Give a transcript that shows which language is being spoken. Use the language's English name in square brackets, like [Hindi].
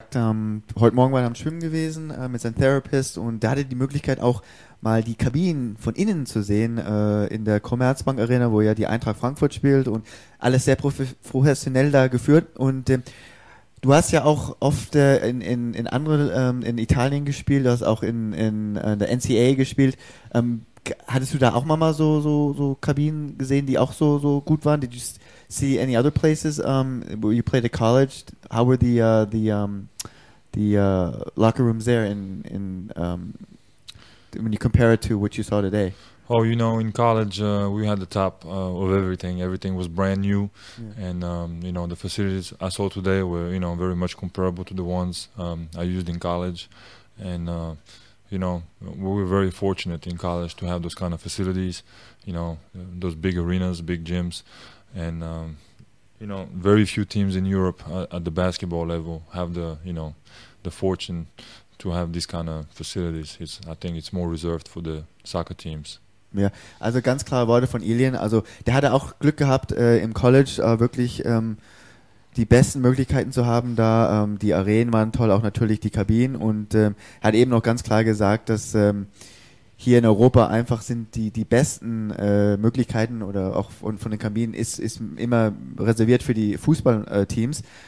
[German] gesagt, heute Morgen war er am Schwimmen gewesen mit seinem Therapist und da hatte die Möglichkeit auch mal die Kabinen von innen zu sehen in der Commerzbank Arena, wo ja die Eintracht Frankfurt spielt und alles sehr professionell da geführt. Und du hast ja auch oft in Italien gespielt, du hast auch in der NCAA gespielt. Hattest du da auch mal so Kabinen gesehen, die auch so gut waren? [English] Did you see any other places where you played at college? How were the locker rooms there when you compare it to what you saw today? Oh, you know, in college we had the top of everything. Everything was brand new, yeah. And you know, the facilities I saw today were, you know, very much comparable to the ones I used in college. And you know, we were very fortunate in college to have those kind of facilities, you know, those big arenas, big gyms, and you know, very few teams in Europe at the basketball level have the, you know, the fortune to have these kind of facilities. I think it's more reserved for the soccer teams. [German] Ja, also ganz klare Worte von Ilian. Also der hatte auch Glück gehabt, im College wirklich die besten Möglichkeiten zu haben da. Die Arenen waren toll, auch natürlich die Kabinen. Und er hat eben noch ganz klar gesagt, dass hier in Europa einfach sind die besten Möglichkeiten oder auch von den Kabinen ist immer reserviert für die Fußballteams.